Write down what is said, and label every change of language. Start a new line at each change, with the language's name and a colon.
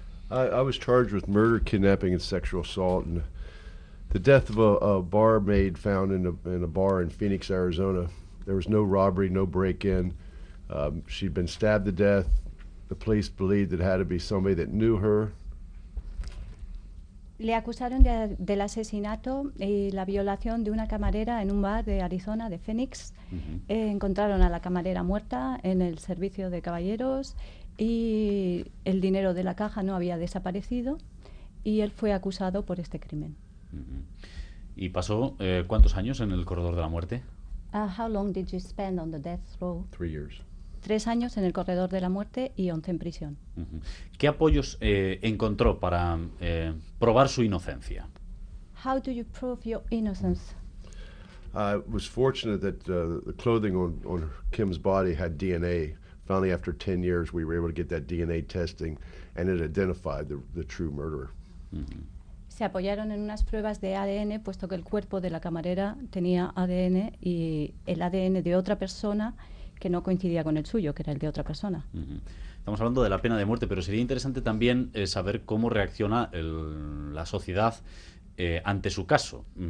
English: I was charged with murder, kidnapping, and sexual assault, and the death of a barmaid found in a bar in Phoenix, Arizona. There was no robbery, no break-in. She'd been stabbed to death. The police believed it had to be somebody that knew her.
Spanish: Le acusaron del asesinato y la violación de una camarera en un bar de Arizona, de Phoenix. Encontraron a la camarera muerta en el servicio de caballeros y el dinero de la caja no había desaparecido y él fue acusado por este crimen. ¿Y pasó cuántos años en el corredor de la muerte?
English: How long did you spend on the death row? 3 years.
Spanish: 3 años en el corredor de la muerte y 11 en prisión. ¿Qué apoyos encontró para probar su inocencia?
English: How do you prove your innocence? I was fortunate that the clothing on Kim's body had DNA. Finally, after 10 years, we were able to get that DNA testing and it identified the true murderer.
Spanish: Se apoyaron en unas pruebas de ADN, puesto que el cuerpo de la camarera tenía ADN y el ADN de otra persona que no coincidía con el suyo, que era el de otra persona. Estamos hablando de la pena de muerte, pero sería interesante también saber cómo reacciona la sociedad ante su caso.